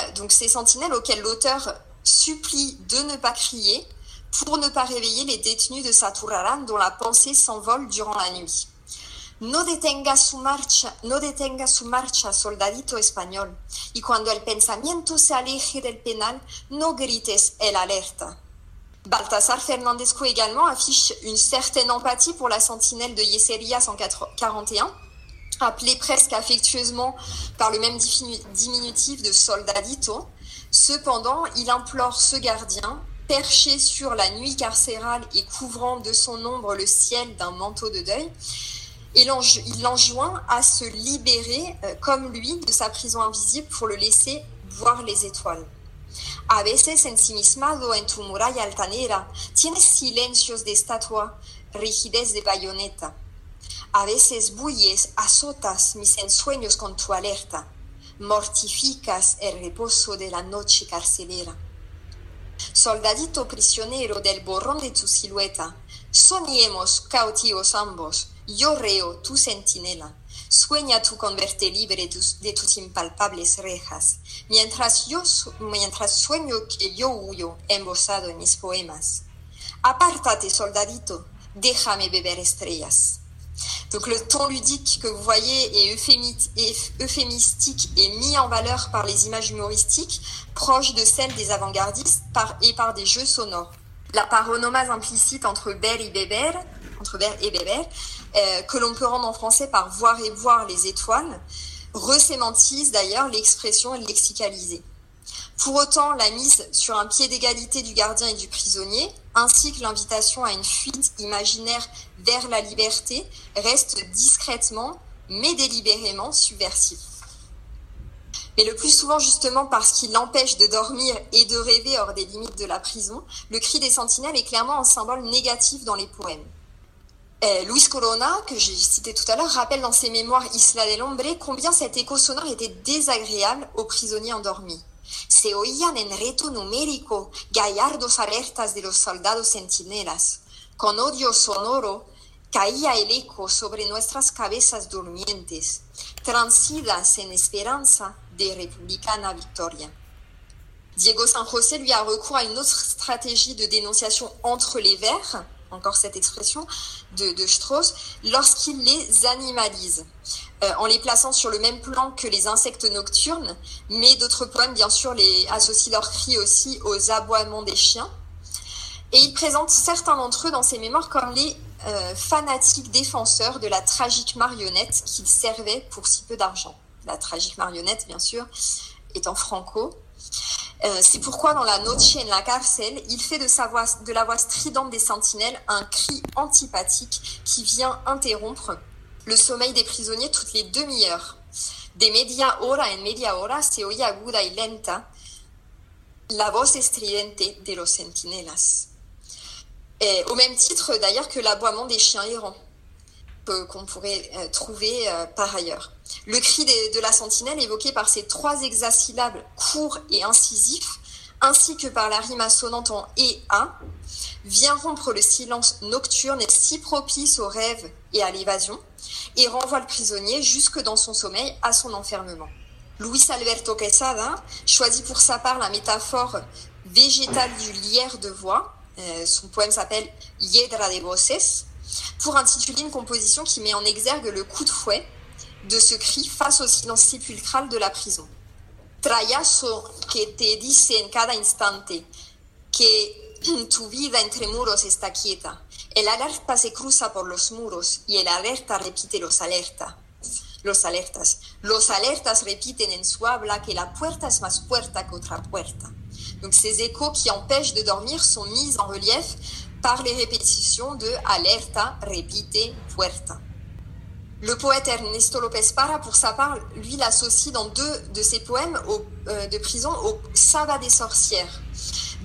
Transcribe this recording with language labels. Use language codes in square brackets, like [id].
[fr] Ces sentinelles auxquelles l'auteur supplie de ne pas crier pour ne pas réveiller les détenus de Saturaran dont la pensée s'envole durant la nuit. [es] No detenga su marcha, soldadito español. Y cuando el pensamiento se aleje del penal, no grites el alerta. [fr] Baltasar Fernandescu également affiche une certaine empathie pour la sentinelle de Yeseria 141, appelée presque affectueusement par le même diminutif de soldadito. Cependant, il implore ce gardien, perché sur la nuit carcérale et couvrant de son ombre le ciel d'un manteau de deuil, et il l'enjoint à se libérer, comme lui, de sa prison invisible pour le laisser voir les étoiles. [es] A veces ensimismado en tu muralla altanera, tienes silencios de estatua, rigidez de bayoneta. A veces bulles, azotas mis ensueños con tu alerta, mortificas el reposo de la noche carcelera. Soldadito prisionero del borrón de tu silueta, soñemos cautivos ambos, yo reo tu sentinela. Sueña tú con verte libre de tus impalpables rejas, mientras sueño que yo huyo embosado en mis poemas. Apártate, soldadito, déjame beber estrellas. [fr] Donc le ton ludique que vous voyez est euphémistique et mis en valeur par les images humoristiques proches de celles des avant-gardistes et par des jeux sonores. La paronomase implicite entre ver et beber, que l'on peut rendre en français par voir et boire les étoiles, resémantise d'ailleurs l'expression lexicalisée. Pour autant, la mise sur un pied d'égalité du gardien et du prisonnier, ainsi que l'invitation à une fuite imaginaire vers la liberté, reste discrètement, mais délibérément subversive. Mais le plus souvent, justement, parce qu'il l'empêche de dormir et de rêver hors des limites de la prison, le cri des sentinelles est clairement un symbole négatif dans les poèmes. Luis Corona, que j'ai cité tout à l'heure, rappelle dans ses mémoires Isla del Hombre combien cet écho sonore était désagréable aux prisonniers endormis. [es] Se oían en reto numérico gallardos alertas de los soldados sentinelas. Con odio sonoro caía el eco sobre nuestras cabezas durmientes, transidas en esperanza de republicana victoria. [fr] Diego San José lui a recours à une autre stratégie de dénonciation entre les vers, encore cette expression de Strauss, lorsqu'il les animalise, en les plaçant sur le même plan que les insectes nocturnes, mais d'autres poèmes, bien sûr, associent leurs cris aussi aux aboiements des chiens. Et il présente certains d'entre eux dans ses mémoires comme les fanatiques défenseurs de la tragique marionnette qu'il servait pour si peu d'argent. La tragique marionnette, bien sûr, étant Franco. C'est pourquoi dans la Noche en la cárcel, il fait de la voix stridente des sentinelles un cri antipathique qui vient interrompre le sommeil des prisonniers toutes les demi-heures. [es] De media hora en media hora se oye aguda y lenta la voz estridente de los sentinelas. [fr] Et au même titre d'ailleurs que l'aboiement des chiens errants qu'on pourrait trouver par ailleurs. Le cri de la sentinelle évoqué par ces trois hexasyllabes courts et incisifs, ainsi que par la rime assonante en « et » « a », vient rompre le silence nocturne et si propice aux rêves et à l'évasion, et renvoie le prisonnier jusque dans son sommeil à son enfermement. Luis Alberto Quesada choisit pour sa part la métaphore végétale du lierre de voix, son poème s'appelle « Hiedra de voces », pour intituler une composition qui met en exergue le coup de fouet de ce cri face au silence sépulcral de la prison. [es] Trayazo que te dice en cada instante que tu vida entre muros está quieta. El alerta se cruza por los muros y el alerta repite los alertas. Los alertas repiten en su habla que la puerta es más puerta qu'otra puerta. [fr] Donc ces échos qui empêchent de dormir sont mis en relief par les répétitions de « alerta, repite, puerta ». Le poète Ernesto López Para, pour sa part, lui l'associe dans deux de ses poèmes de prison au « Saba des sorcières ».